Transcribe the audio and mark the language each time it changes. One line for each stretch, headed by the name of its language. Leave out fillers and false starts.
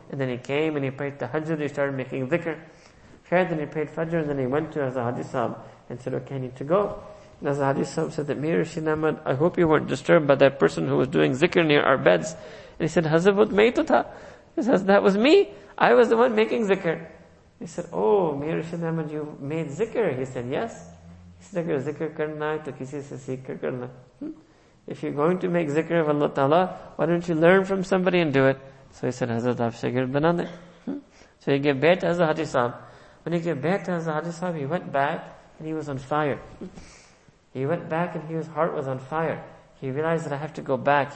English: And then he came and he prayed tahajjud. He started making dhikr. Khair, then he prayed fajr. And then he went to Hazrat Haji Sahib and said, okay, I need to go. And Hazrat Haji Sahib said, that me, Rashid Ahmad, I hope you weren't disturbed by that person who was doing zikr near our beds. And he said, Hazabut Maitutha. He says, that was me. I was the one making zikr. He said, oh, me, Rashid Ahmad, you made zikr. He said, yes. He said,
Urdu: اگر ذکر کرنا ہے، تو کسی سے ذکر کرنا۔
English: If you're going to make zikr of Allah Ta'ala, why don't you learn from somebody and do it? So he said, Hazrat Afshagir banane. So he gave bayt to Hazrat Haji Sahib. When he gave bayt to Hazrat Haji Sahib, he went back and he was on fire. He went back and his heart was on fire. He realized that I have to go back.